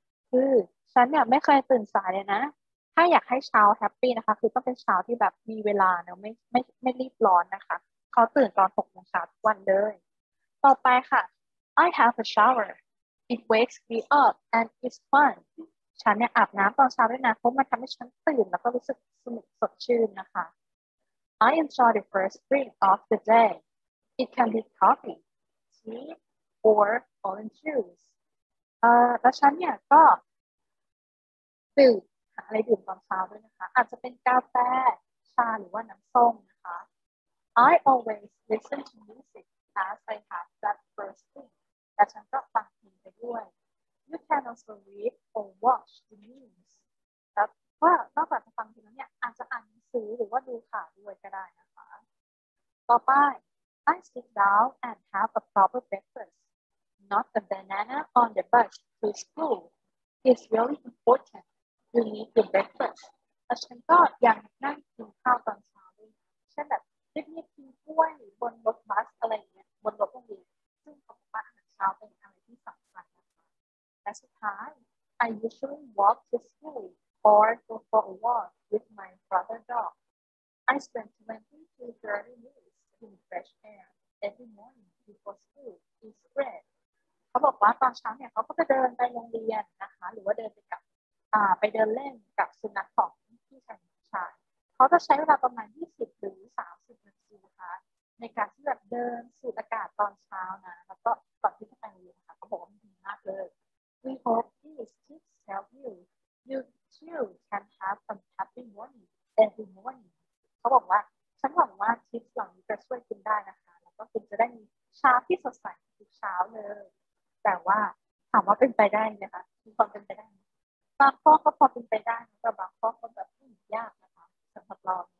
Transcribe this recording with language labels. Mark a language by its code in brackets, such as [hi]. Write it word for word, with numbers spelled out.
[th] คือฉันเนี่ยไม่เคยตื่นสายเลยนะถ้าอยากให้เช้าแฮปปี้นะคะคือต้องเป็นเช้าที่แบบมีเวลาเนาะไม่ไม่ไม่รีบร้อนนะคะเขาตื่นตอน หกโมงเช้าทุกวันเลยต่อไปค่ะ [en] I have a shower it wakes me up and it's fun [th] ฉันเนี่ยอาบน้ำตอนเช้าด้วยนะเพราะมันทำให้ฉันตื่นแล้วก็รู้สึกสนุกสดชื่นนะคะ [en] I enjoy the first drink of the day. It can be coffee, tea, or orange juice. [th] เอ่อแล้วฉันเนี่ยก็ดื่มอะไรดื่มตอนเช้าด้วยนะคะอาจจะเป็นกาแฟชาหรือว่าน้ำส้มนะคะ [en] I always listen to music as I have that first drink. [th] แต่ฉันก็ฟังเพลงไปด้วย [en] You can also read or watch the news. [th] แล้วก็นอกจากฟังเพลงแล้วเนี่ยอาจจะอ่านซื้อหรือว่าดูข่าวด้วยก็ได้นะคะ ต่อไป [en] I sit down and have a proper breakfast not a banana on the bus to school it's really important you need your breakfast [th] แล้วฉันก็ยังนั่งกินข้าวตอนเช้าด้วยเช่นแบบรีบๆกินกล้วยบนรถบัสอะไรอย่างเงี้ยบนรถโรงเรียนซึ่งเขาบอกว่าอาหารเช้าเป็นอะไรที่สำคัญนะคะและสุดท้าย [en] I usually walk to school or go for a walk with my brother dog. I spend twenty to thirty minutes in fresh air every morning before school is ready. [th] เขาบอกว่าตอนเช้าเนี่ยเขาก็จะเดินไปโรงเรียนนะคะหรือว่าเดินไปกับอ่าไปเดินเล่นกับสุนัขของพี่ชายชายเขาจะใช้เวลาประมาณยี่สิบหรือสามสิบนาทีนะคะในการที่แบบเดินสูดอากาศตอนเช้านะแล้วก็ก่อนที่จะไปโรงเรียนค่ะเขาบอกว่าดีมากเลย [en] We hope these tips help you. You too can have a happy morning. every morning [th] เขาบอกว่าฉันหวังว่าทิปเหล่านี้จะช่วยคุณได้นะคะแล้วก็คุณจะได้มีเช้าที่สดใสทุกเช้าเลยแต่ว่าถามว่าเป็นไปได้นะคะมีความเป็นไปได้บางข้อก็พอเป็นไปได้แต่บางข้อก็แบบยากนะคะสำหรับเรา